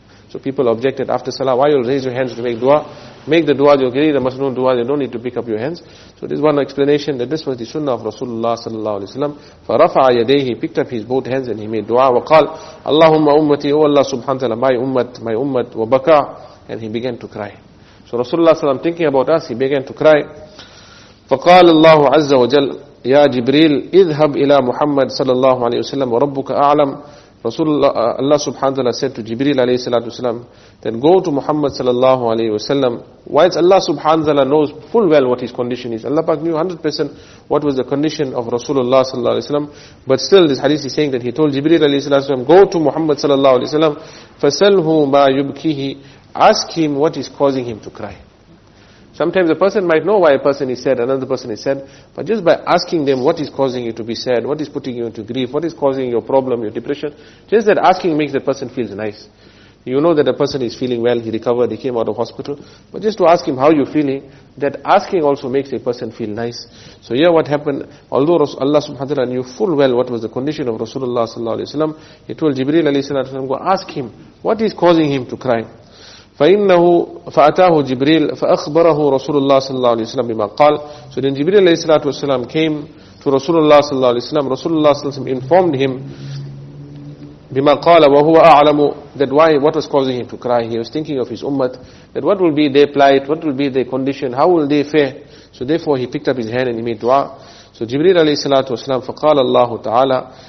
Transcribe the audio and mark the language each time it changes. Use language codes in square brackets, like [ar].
[en] So people objected after salah, why you raise your hands to make dua? Make the dua, you're the masnoon dua, you don't need to pick up your hands. So this is one explanation that this was the sunnah of Rasulullah sallallahu alayhi wa sallam. [ar] Farafa yadehi, [en] he picked up his both hands and he made dua. [ar] Wa qal, Allahumma ummati, [en] oh Allah subhanahu wa ta'ala, my ummat, [ar] wa baka, [en] and he began to cry. So Rasulullah sallam thinking about us, he began to cry. [ar] فقال الله عز وجل يا جبريل اذهب إلى محمد صلى الله عليه وسلم وربك أعلم [en] رسول الله سبحانه وتعالى said to جبريل عليه الصلاة والسلام then go to محمد صلى الله عليه وسلم why it's Allah سبحانه وتعالى knows full well what his condition is Allah knew 100% what was the condition of رسول الله صلى الله عليه وسلم but still this hadith is saying that he told جبريل عليه الصلاة والسلام go to محمد صلى الله عليه وسلم [ar] فسأله ما يبكيه [en] ask him what is causing him to cry. Sometimes a person might know why a person is sad, another person is sad, but just by asking them what is causing you to be sad, what is putting you into grief, what is causing your problem, your depression, just that asking makes that person feel nice. You know that a person is feeling well, he recovered, he came out of hospital, but just to ask him how you're feeling, that asking also makes a person feel nice. So here what happened, although Allah subhanahu wa ta'ala knew full well what was the condition of Rasulullah sallallahu alayhi wa sallam, he told Jibreel alayhi sallallahu alayhi wa sallam, go ask him, what is causing him to cry? [ar] فإنه فأتاه جبريل فأخبره رسول الله صلى الله عليه وسلم بما قال. [en] So then Jibreel عليه الصلاة والسلام came to Rasulullah صلى الله عليه وسلم. Rasulullah صلى الله عليه وسلم informed him [ar] بما قال وهو أعلم [en] that why what was causing him to cry. He was thinking of his ummah, that what will be their plight, what will be their condition, how will they fare. So therefore he picked up his hand and he made dua. [ar] So Jibreel عليه الصلاة والسلام فقال الله تعالى.